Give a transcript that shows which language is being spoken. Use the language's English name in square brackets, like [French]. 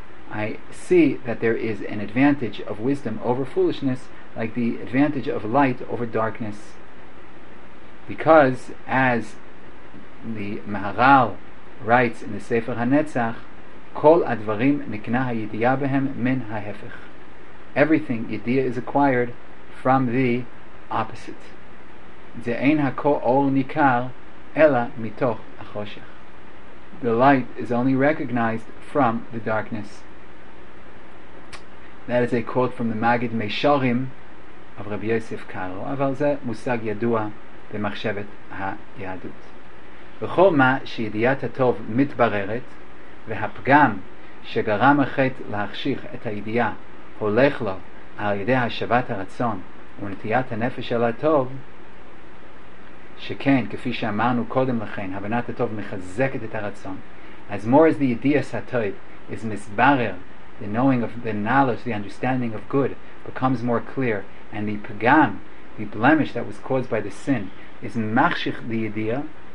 [English] I see that there is an advantage of wisdom over foolishness, like the advantage of light over darkness. Because, as the Maharal writes in the Sefer HaNetzach, [Hebrew] כל הדברים נקנה הידיעה בהם מן ההפך. [English] Everything, ידיעה, is acquired from the opposite. [Hebrew] זה אין הכל אור ניכר, אלא מתוך החושך. [English] The light is only recognized from the darkness. That is a quote from the Magid Meisharim of Rabbi Yosef Karo. [Hebrew] אבל זה מושג ידוע במחשבת היהדות. בכל מה שידיעת הטוב מתבררת, והפגם שגרם החטא להחשיך את הידיעה הולך לו על ידי השבת הרצון ונטיית הנפש על הטוב, שכן, כפי שאמרנו קודם לכן, הבנת הטוב מחזקת את הרצון. [English] As more as the idea satoid is misbarer, the knowing of the knowledge, the understanding of good becomes more clear, and the pagam, the blemish that was caused by the sin, is machshich the idea.